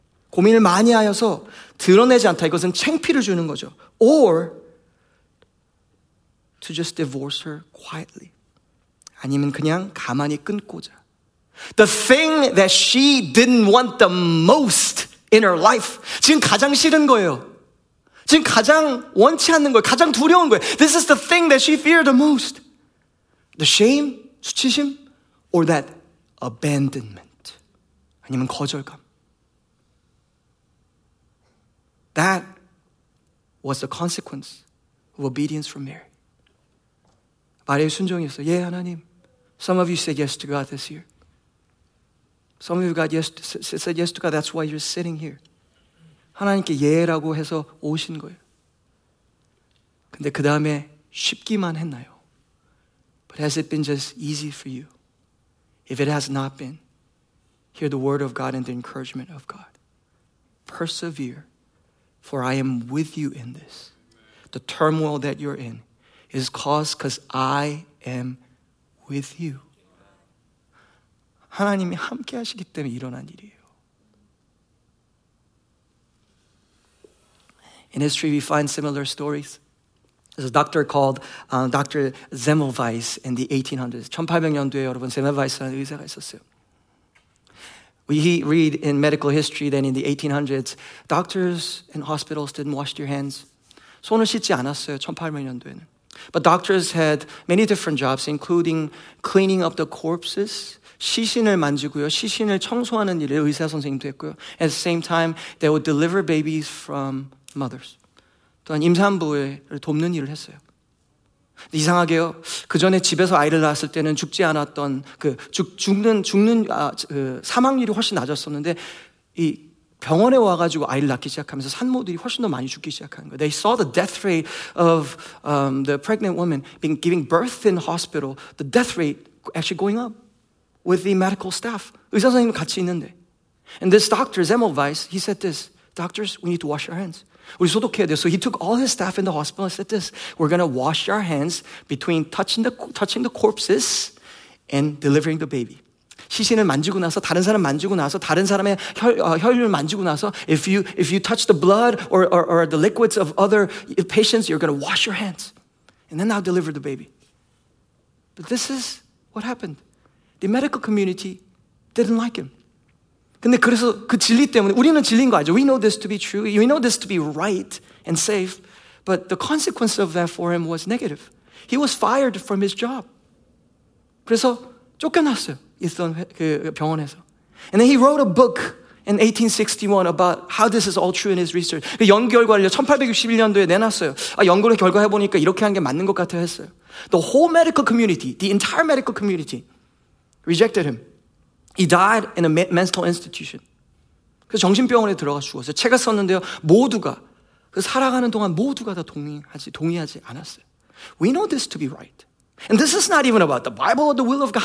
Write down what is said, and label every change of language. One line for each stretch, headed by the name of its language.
Korean: 고민을 많이 하여서 드러내지 않다. 이것은 창피를 주는 거죠.
English: Or to just divorce her quietly.
Korean: 아니면 그냥 가만히 끊고자.
English: The thing that she didn't want the most in her life.
Korean: 지금 가장 싫은 거예요. 지금 가장 원치 않는 거예요. 가장 두려운 거예요.
English: This is the thing that she feared the most. The shame,
Korean: 수치심,
English: or that abandonment.
Korean: 아니면 거절감.
English: That was the consequence of obedience from Mary.
Korean: 마리아의 순종이었어. 예, 하나님.
English: Some of you said yes to God this year. Some of you got yes, said yes to God. That's why you're sitting here.
Korean: 하나님께 예라고 해서 오신 거예요. 근데 그 다음에 쉽기만 했나요?
English: But has it been just easy for you? If it has not been, hear the word of God and the encouragement of God. Persevere, for I am with you in this. The turmoil that you're in is caused because I am with you.
Korean: 하나님이 함께 하시기 때문에 일어난 일이에요.
English: In history, we find similar stories. There's a doctor called Dr. Semmelweis in the 1800s.
Korean: 1800년도에 여러분, Semmelweis라는 의사가 있었어요.
English: We read in medical history that in the 1800s, doctors and hospitals didn't wash their hands.
Korean: 손을 씻지 않았어요, 1800년도에는.
English: But doctors had many different jobs, including cleaning up the corpses,
Korean: 시신을 만지고요, 시신을 청소하는 일을 의사 선생님도 했고요.
English: At the same time, they would deliver babies from mothers.
Korean: 또한 임산부를 돕는 일을 했어요. 이상하게요, 그 전에 집에서 아이를 낳았을 때는 죽지 않았던 그 죽는 사망률이 훨씬 낮았었는데 이 병원에 와가지고 아이를 낳기 시작하면서 산모들이 훨씬 더 많이 죽기 시작한 거예요.
English: They saw the death rate of the pregnant woman being giving birth in hospital. The death rate actually going up with the medical staff.
Korean: 의사 선생님 같이 있는데.
English: And this doctor, Semmelweis, he said this. Doctors, we need to wash our hands.
Korean: 우리 소독해야 돼요.
English: So he took all his staff in the hospital and said this. We're going to wash our hands between touching the corpses and delivering the baby.
Korean: 시신을 만지고 나서 다른 사람 만지고 나서
English: 다른 사람의 혈류를 만지고 나서 if you touch the blood or the liquids of other patients, you're going to wash your hands. And then I'll deliver the baby. But this is what happened. The medical community didn't like him.
Korean: 근데 그래서 그 진리 때문에 우리는 진리인 거 알죠?
English: We know this to be true. We know this to be right and safe. But the consequence of that for him was negative. He was fired from his job.
Korean: 그래서 쫓겨났어요. 있던 그 병원에서.
English: And then he wrote a book in 1861 about how this is all true in his research.
Korean: 그 연구 결과를 1861년도에 내놨어요. 아, 연구를 결과 해보니까 이렇게 한 게 맞는 것 같아 했어요.
English: The whole medical community, the entire medical community rejected him. He died in a mental institution.
Korean: 그래서 정신병원에 들어가 죽었어요. 책을 썼는데요. 모두가, 그 살아가는 동안 모두가 다 동의하지 않았어요.
English: We know this to be right. And this is not even about the Bible or the will of God.